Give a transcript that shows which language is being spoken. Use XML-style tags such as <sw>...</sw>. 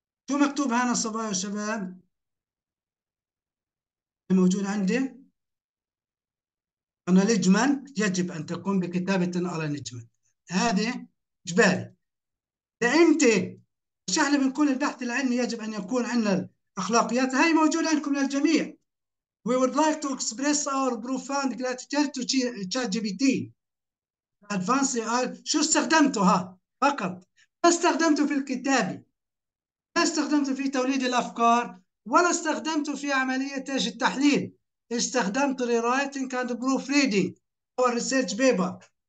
<ar>شو مكتوب هنا صبايا وشباب موجود عندي؟ أنالجمنت، يجب أن تقوم بكتابة أنالجمنت، هذه إجباري. ده أنت مش احنا بنقول البحث العلمي يجب ان يكون عندنا الاخلاقيات، هاي موجوده عندكم للجميع.</ar> <en>We would like to express our profound gratitude to chat GPT. Advanced AI،</en> <ar>شو استخدمته؟ ها فقط، ما استخدمته في الكتابه، ما استخدمته في توليد الافكار، ولا استخدمته في عمليه ايش التحليل، استخدمته</ar> <en>Rewriting and proofreading or research paper.</en>